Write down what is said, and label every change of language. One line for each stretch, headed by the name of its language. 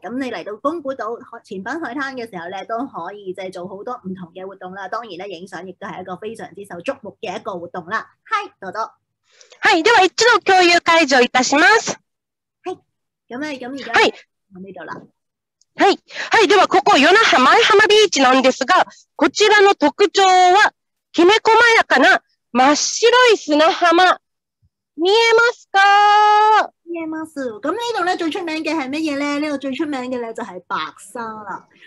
Cantonese: 咁你嚟到宮古島前濱海灘嘅時候咧，都可以即係做好多唔同嘅活動啦。當然咧，影相亦都係一個非常之受矚目嘅一個活動啦。Hi， 多多。
Japanese: はい、では一度共有解除いたします。
Cantonese: はい。咁咧，咁而家
Japanese: はい。
Cantonese: 喺呢度啦。
Japanese: はい。はい、ではここ与那覇舞浜ビーチなんですが、こちらの特徴はきめ細やかな真っ白い砂浜。見えますか？見えます。
Cantonese: 咁呢度咧最出名嘅系乜嘢咧？呢度最出名嘅咧就系白沙啦。